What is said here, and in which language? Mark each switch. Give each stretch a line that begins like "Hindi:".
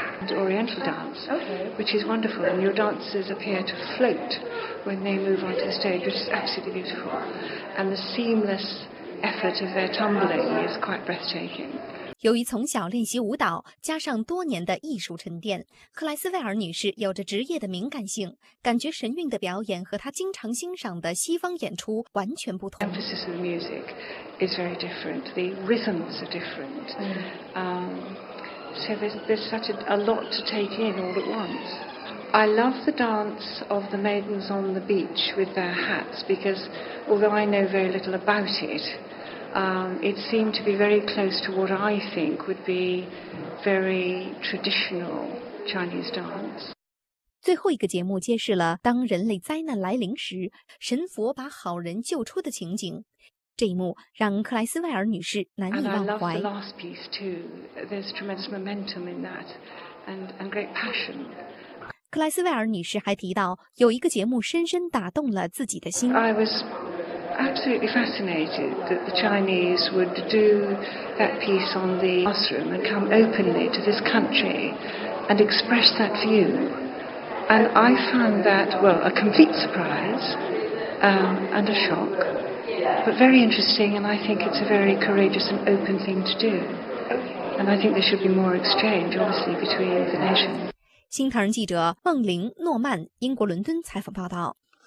English: Oriental dance, which is wonderful, and your dancers appear to float when they move onto the stage, which is absolutely beautiful. And the seamless effort of their tumbling is quite breathtaking.
Chinese: 由于从小练习舞蹈，加上多年的艺术沉淀，克莱斯威尔女士有着职业的敏感性，感觉神韵的表演和她经常欣赏的西方演出完全不同。
English: Emphasis of the music is very different. The rhythms are different. So there's such a lot to take in all at once. I love the dance of the maidens on the beach with their hats because although I know very little about it, it seemed to be very close to what I think would be very traditional Chinese dance.
Chinese: 最后一个节目揭示了当人类灾难来临时，神佛把好人救出的情景。这一幕让克莱斯威尔女士难以忘怀。
English: And I love the last piece too. There's tremendous momentum in that, and great passion.
Chinese: 克莱斯威尔女士还提到，有一个节目深深打动了自己的心。
English: I was absolutely fascinated that the Chinese would do that piece on the classroom and come openly to this country and express that view. And I found that, well, a complete surprise, and a shock. But very interesting, and I think it's a very courageous and open thing to do. And I think there should be more exchange, obviously, between the nations.
Chinese: 新唐人记者孟玲、诺曼，英国伦敦采访报道。